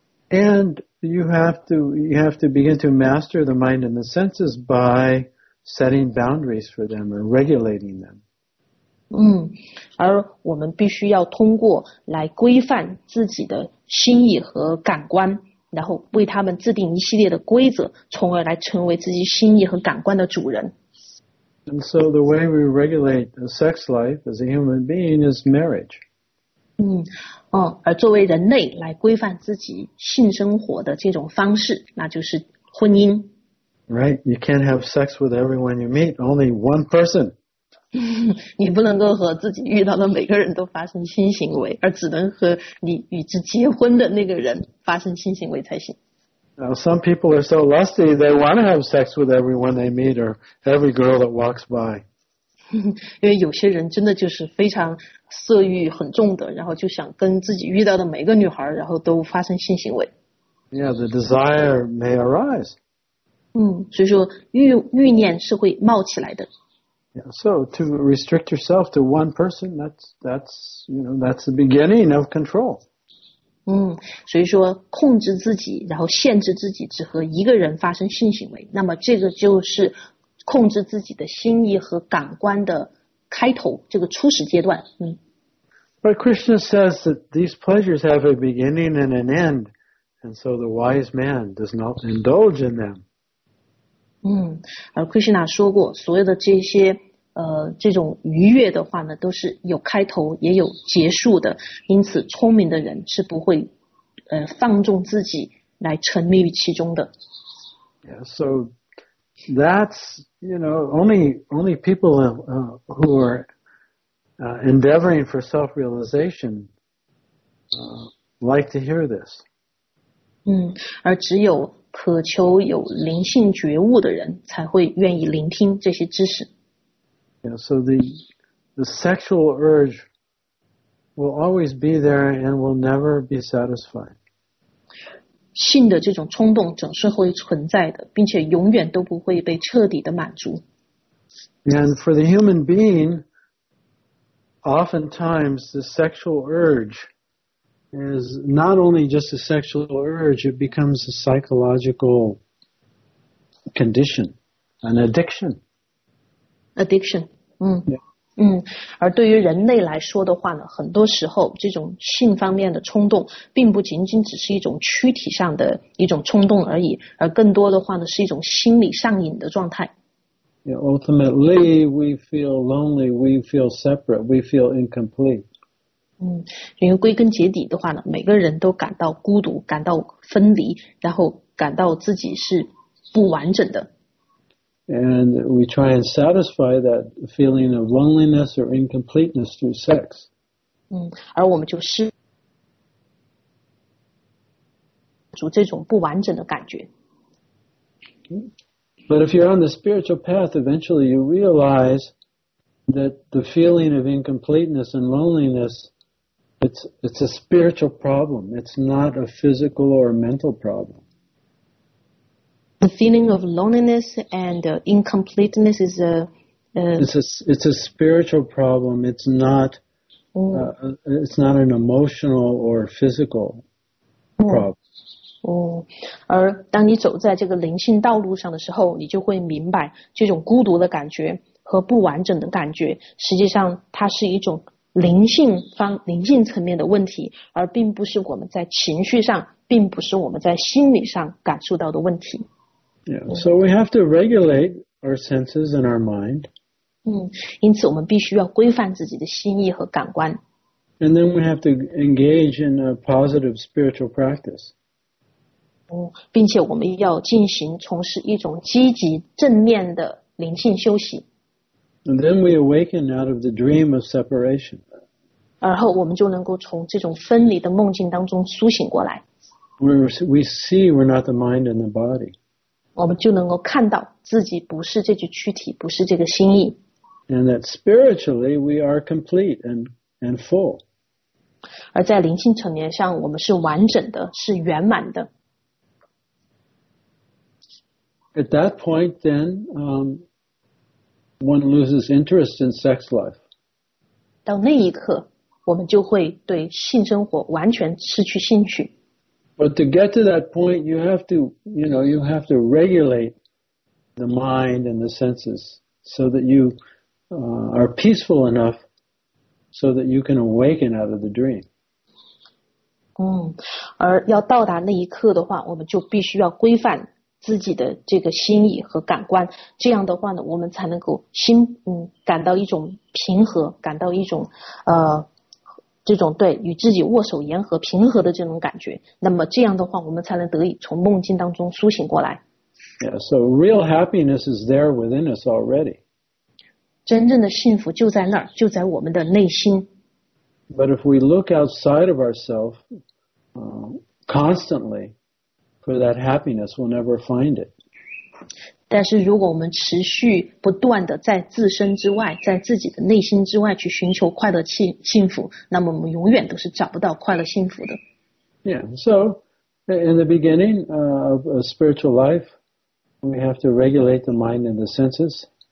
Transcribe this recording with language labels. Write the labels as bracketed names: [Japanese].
[English] And you have to begin to master the mind and the senses by setting boundaries for them or regulating them. [Chinese] 而我们必须要通过来规范自己的心意和感官，然后为他们制定一系列的规则，从而来成为自己心意和感官的主人。 [English] And so the way we regulate the sex life as a human being is marriage. [Chinese] 而作为人类来规范自己性生活的这种方式，那就是婚姻。 [English] Right, you can't have sex with everyone you meet, only one person. [Chinese] 你不能够和自己遇到的每个人都发生性行为，而只能和你与之结婚的那个人发生性行为才行。 [English] Now, some people are so lusty, they want to have sex with everyone they meet or every girl that walks by. [Chinese] 因为有些人真的就是非常色欲很重的，然后就想跟自己遇到的每个女孩然后都发生性行为。 [English] Yeah, the desire may arise. [Chinese] 所以说欲念是会冒起来的。 [English] Yeah, so to restrict yourself to one person, that's the beginning of control. [Chinese] 所以说控制自己然后限制自己只和一个人发生性行为，那么这个就是控制自己的心意和感官的开头，这个初始阶段。 [English] But Krishna says that these pleasures have a beginning and an end, and so the wise man does not indulge in them. [Chinese] 而 Krishna 说过，所有的这些这种愉悦的话呢，都是有开头也有结束的，因此聪明的人是不会放纵自己来沉溺于其中的。 [English] Yeah, so that's, you know, only people who are endeavoring for self-realization like to hear this. [Chinese] 而只有渴求有灵性觉悟的人才会愿意聆听这些知识。 [English] Yeah, so the sexual urge will always be there and will never be satisfied. [Chinese] 性的这种冲动总是会存在的，并且永远都不会被彻底的满足。 [English] And for the human being, oftentimes the sexual urge is not only just a sexual urge, it becomes a psychological condition, an addiction. Addiction. Yeah. [Chinese] 而对于人类来说的话呢，很多时候这种性方面的冲动并不仅仅只是一种躯体上的一种冲动而已，而更多的话呢是一种心理上瘾的状态。 [English] Yeah, ultimately, we feel lonely, we feel separate, we feel incomplete. [Chinese] 因为归根结底的话呢，每个人都感到孤独，感到分离，然后感到自己是不完整的。 [English] And we try and satisfy that feeling of loneliness or incompleteness through sex. [Chinese] 而我们就是这种不完整的感觉。 [English] But if you're on the spiritual path, eventually you realize that the feeling of incompleteness and loneliness, it's a spiritual problem. It's not a physical or mental problem. The feeling of loneliness and incompleteness is it's a spiritual problem. It's not, it's not an emotional or physical problem. [Chinese] 而当你走在这个灵性道路上的时候，你就会明白这种孤独的感觉和不完整的感觉，实际上它是一种灵性层面的问题，而并不是我们在情绪上，并不是我们在心理上感受到的问题。 [English] Yeah, so we have to regulate our senses and our mind. [Chinese] 因此我们必须要规范自己的心意和感官。 [English] And then we have to engage in a positive spiritual practice. [Chinese] 并且我们要进行从事一种积极正面的灵性修行。 [English] And then we awaken out of the dream of separation. [Chinese] 而后我们就能够从这种分离的梦境当中苏醒过来。 [English] We see we're not the mind and the body. [Chinese] 我们就能够看到自己不是这具躯体，不是这个心意。 [English] And that spiritually we are complete and full. [Chinese] 而在灵性层面上，我们是完整的，是圆满的。 [English] At that point, then, one loses interest in sex life. [Chinese] 到那一刻，我们就会对性生活完全失去兴趣。 [English] But to get to that point, you have to, you know, you have to regulate the mind and the senses so that you are peaceful enough so that you can awaken out of the dream. [Chinese] 而要到达那一刻的话，我们就必须要规范自己的这个心意和感官，这样的话呢，我们才能够感到一种平和，感到一种这种对与自己握手言和平和的这种感觉。那么这样的话，我们才能得以从梦境当中苏醒过来。 [English] Yeah, so real happiness is there within us already. [Chinese] 真正的幸福就在那儿，就在我们的内心。 [English] But if we look outside of ourselves, constantly. For that happiness, we'll never find it. [Chinese] 但是如果我们持续不断的在自身之外，在自己的内心之外去寻求快乐幸福，那么我们永远都是找不到快乐幸福的。 [English] Yeah, so in the beginning of a spiritual life, we have to regulate the mind and the senses.